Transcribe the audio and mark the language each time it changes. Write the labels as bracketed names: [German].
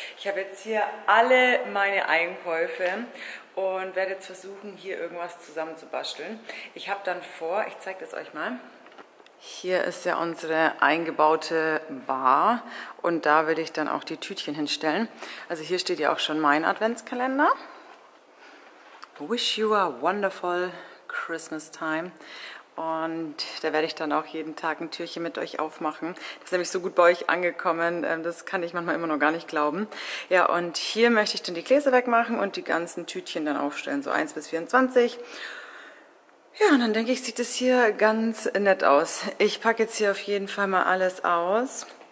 [German] Ich habe jetzt hier alle meine Einkäufe und werde jetzt versuchen, hier irgendwas zusammenzubasteln. Ich habe dann vor, ich zeige das euch mal. Hier ist ja unsere eingebaute Bar und da werde ich dann auch die Tütchen hinstellen. Also hier steht ja auch schon mein Adventskalender. [English] Wish you a wonderful Christmas time. [German] Und da werde ich dann auch jeden Tag ein Türchen mit euch aufmachen. Das ist nämlich so gut bei euch angekommen, das kann ich manchmal immer noch gar nicht glauben. Ja, und hier möchte ich dann die Gläser wegmachen und die ganzen Tütchen dann aufstellen, so 1 bis 24. Ja, und dann denke ich, sieht das hier ganz nett aus. Ich packe jetzt hier auf jeden Fall mal alles aus.